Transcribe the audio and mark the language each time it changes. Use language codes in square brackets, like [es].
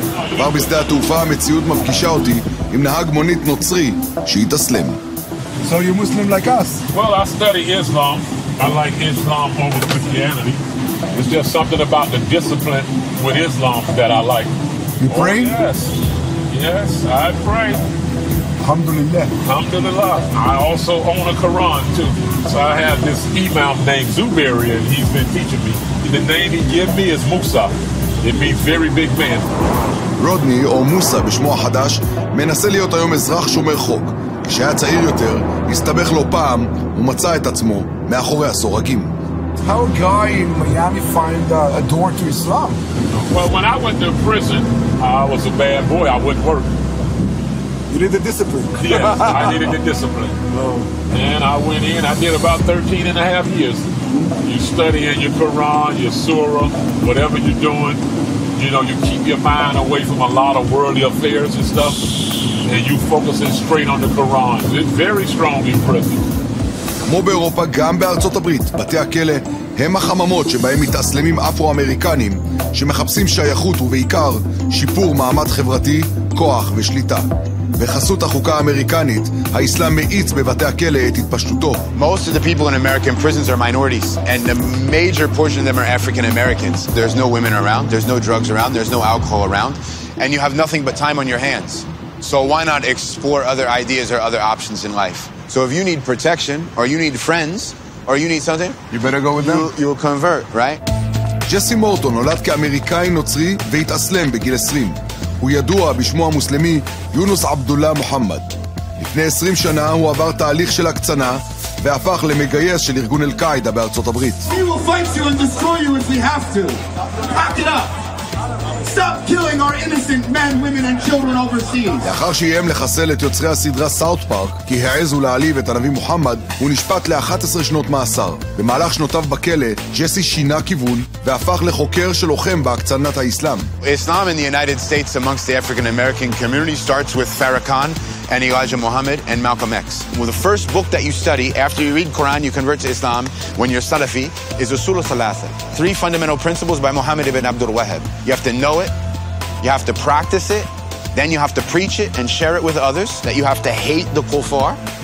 [he] כבר בשדה התעופה המציאות מפגישה אותי עם נהג מונית נוצרי שהתאסלם. [en] So you Muslim like us? Well, I study Islam. I like Islam over Christianity. It's just something about the discipline with Islam that I like. You pray? Oh, yes. Yes, I pray. [ar] Alhamdulillah. [en] I also own a Quran too. So I have this imam named Zubairi and he's been teaching me. The name he gave me is Musa. It means very big man. [he] Rodney, or Musa בשמו החדש, מנסה להיות היום אזרח שומר חוק. כשהיה צעיר יותר, הסתבך לו פעם ומצא את עצמו מאחורי הסורגים. [en] How a guy in Miami find a door to Islam? Well, when I went to prison, I was a bad boy. I wouldn't work. You need the discipline. Yes, I needed the discipline. Oh. And I went in, I did about 13 and a half years. You study in your Quran, your surah, whatever you're doing. You know, you keep your mind away from a lot of worldly affairs and stuff. And you focus it straight on the Quran. It's very strong in prison. [he] כמו באירופה, גם בארצות הברית, בתי הכלא הם החממות שבהם מתאסלמים אפרו-אמריקנים שמחפשים שייכות ובעיקר שיפור מעמד חברתי, כוח ושליטה. בחסות החוקה האמריקנית, האסלאם מאיץ בבתי הכלא את התפשטותו. [en] Most of the people in American prisons are minorities, and the major portion of them are African Americans. There's no women around, there's no drugs around, there's no alcohol around, and you have nothing but time on your hands. So why not explore other ideas or other options in life? So if you need protection, or you need friends, or you need something, you better go with them. You'll convert, right? [he] ג'סי מורטון נולד כאמריקאי נוצרי והתאסלם בגיל 20. הוא ידוע בשמו המוסלמי יונוס עבדולה מוחמד. לפני 20 שנה הוא עבר תהליך של הקצנה והפך למגייס של ארגון אל-קאידה בארצות הברית. [en] We will fight you and destroy you if we have to. Pack it up. Stop killing our innocent men, women and children overseas. [he] לאחר שאיים לחסל את יוצרי הסדרה סאוט פארק כי העזו להעליב את הנביא מוחמד, הוא נשפט ל-11 שנות מאסר. במהלך שנותיו בכלא, ג'סי שינה כיוון והפך לחוקר שלוחם בהקצנת האסלאם. [en] Islam in the United States amongst the African American community starts with Farrakhan and Elijah Muhammad and Malcolm X. Well, the first book that you study after you read Quran, you convert to Islam when you're Salafi is Usul al-Thalatha. Three fundamental principles by Muhammad ibn Abdul Wahhab. You have to know it, you have to practice it, then you have to preach it and share it with others, that you have to hate the kuffar.